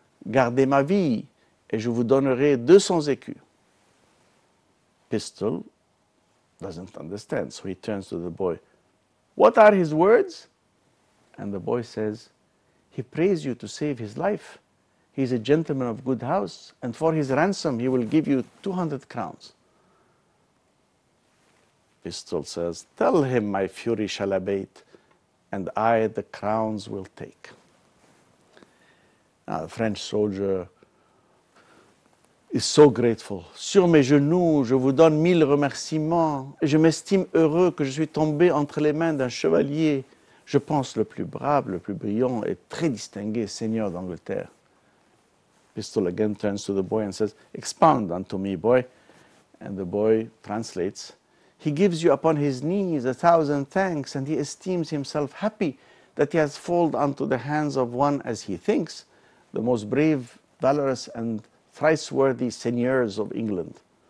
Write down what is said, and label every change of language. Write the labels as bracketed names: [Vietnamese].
[French] Gardez ma vie, et je vous donnerai 200 écus." [English] Pistol doesn't understand, so he turns to the boy. "What are his words?" And the boy says, he prays you to save his life. He's a gentleman of good house, and for his ransom, he will give you 200 crowns. Pistol says, tell him my fury shall abate, and I the crowns will take. Now, the French soldier is so grateful. [French] Sur mes genoux, je vous donne mille remerciements. Je m'estime heureux que je suis tombé entre les mains d'un chevalier. Je pense le plus brave, le plus brillant et très distingué seigneur d'Angleterre. [English] Pistol again turns to the boy and says, expound unto me, boy. And the boy translates, he gives you upon his knees 1,000 thanks, and he esteems himself happy that he has fallen unto the hands of one, as he thinks, the most brave, valorous, and thrice worthy seigneurs of England.